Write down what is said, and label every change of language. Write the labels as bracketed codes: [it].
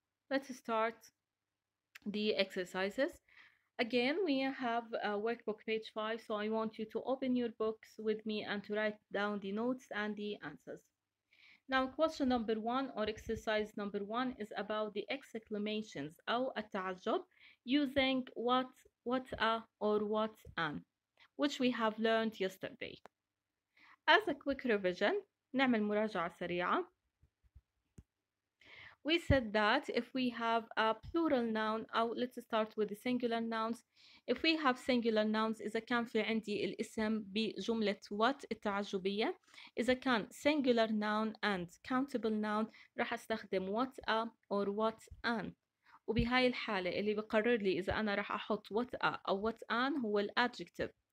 [en] Let's start the exercises. Again, we have a workbook page 5, so I want you to open your books with me and to write down the notes and the answers. Now, question number one or exercise number one is about the exclamations [ar] أو التعجب [en] using what a or what an, which we have learned yesterday. As a quick revision, [ar] نعمل مراجعة سريعة. [en] We said that if we have a plural noun, أو let's start with the singular nouns. If we have singular nouns, [ar] إذا كان في عندي الاسم بجملة [en] what [ar] التعجبية, إذا كان [en] singular noun and countable noun, [ar] راح أستخدم [en] what a or what an. [ar] وبهاي الحالة اللي بقرر لي إذا أنا راح أحط [en] what a [ar] أو [en] what an [ar] هو الadjective.